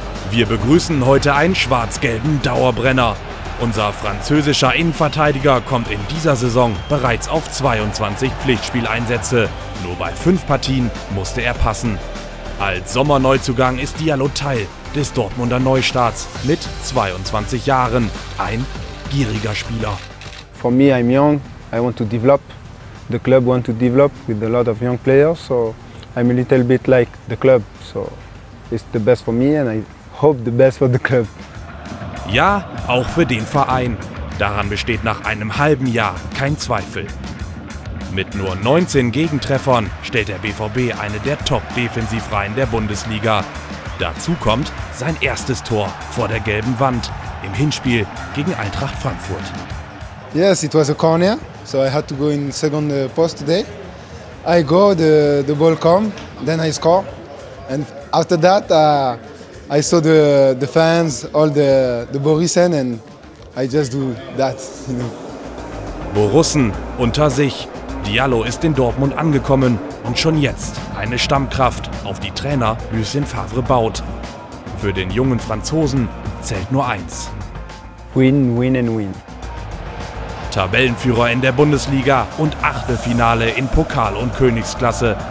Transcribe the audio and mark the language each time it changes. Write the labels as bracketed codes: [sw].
[de] Wir begrüßen heute einen schwarz-gelben Dauerbrenner. Unser französischer Innenverteidiger kommt in dieser Saison bereits auf 22 Pflichtspieleinsätze. Nur bei 5 Partien musste er passen. Als Sommerneuzugang ist Diallo Teil des Dortmunder Neustarts mit 22 Jahren. Ein gieriger Spieler. [en] For me, I'm young. I want to develop. The club want to develop with a lot of young players. So I'm a little bit like the club. So it's the best for me and I hope the best for the club. [de] Ja, auch für den Verein. Daran besteht nach einem halben Jahr kein Zweifel. Mit nur 19 Gegentreffern stellt der BVB eine der Top-Defensivreihen der Bundesliga. Dazu kommt sein erstes Tor vor der gelben Wand im Hinspiel gegen Eintracht Frankfurt. [en] Yes, it was a corner, so I had to go in second post today. I go, the ball come, then I score. And after that, I saw the fans, all the Borussen, and I just do that. [de] Borussen unter sich. Diallo ist in Dortmund angekommen und schon jetzt eine Stammkraft, auf die Trainer Lucien Favre baut. Für den jungen Franzosen zählt nur eins. [en] Win, win and win. [de] Tabellenführer in der Bundesliga und Achtelfinale in Pokal und Königsklasse.